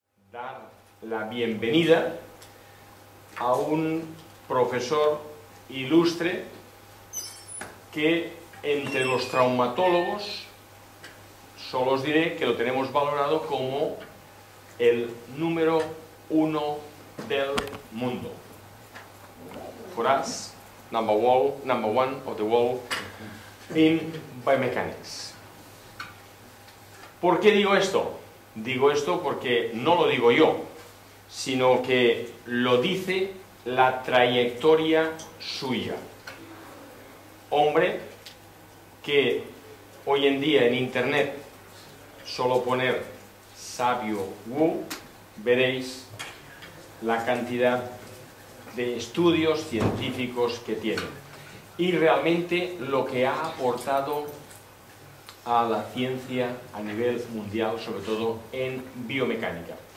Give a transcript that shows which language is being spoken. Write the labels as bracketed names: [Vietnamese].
[Spanish] dar la bienvenida a un profesor ilustre que entre los traumatólogos solo os diré que lo tenemos valorado como el número uno del mundo. [English] For us, number one of the world in biomechanics. [Spanish] ¿Por qué digo esto? Digo esto porque no lo digo yo, sino que lo dice la trayectoria suya. Hombre que hoy en día en internet solo poner Savio Woo veréis la cantidad de estudios científicos que tiene y realmente lo que ha aportado a la ciencia a nivel mundial, sobre todo en biomecánica.